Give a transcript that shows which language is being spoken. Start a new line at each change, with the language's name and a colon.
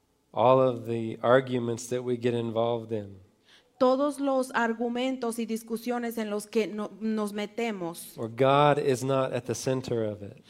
English: All of the arguments that we get involved in.
Spanish: Todos los argumentos y discusiones en los que no, nos metemos.
English: Or God is not at the center of it.